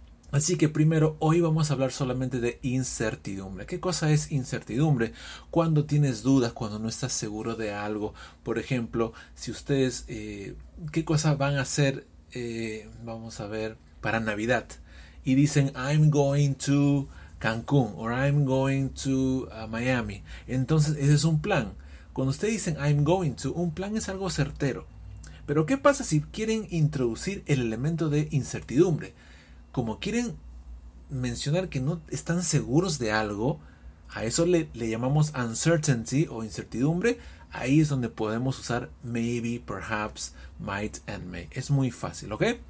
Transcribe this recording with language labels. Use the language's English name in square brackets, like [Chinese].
[Spanish] Así que primero, hoy vamos a hablar solamente de incertidumbre. ¿Qué cosa es incertidumbre? Cuando tienes dudas, cuando no estás seguro de algo. Por ejemplo, si ustedes, ¿qué cosa van a hacer, vamos a ver, para Navidad? Y dicen, [English] I'm going to Cancún, or I'm going to Miami. [Spanish] Entonces, ese es un plan. Cuando ustedes dicen, [English] I'm going to, [Spanish] un plan es algo certero. Pero, ¿qué pasa si quieren introducir el elemento de incertidumbre? Como quieren mencionar que no están seguros de algo, a eso le llamamos uncertainty o incertidumbre. Ahí es donde podemos usar maybe, perhaps, might and may. Es muy fácil, ¿ok?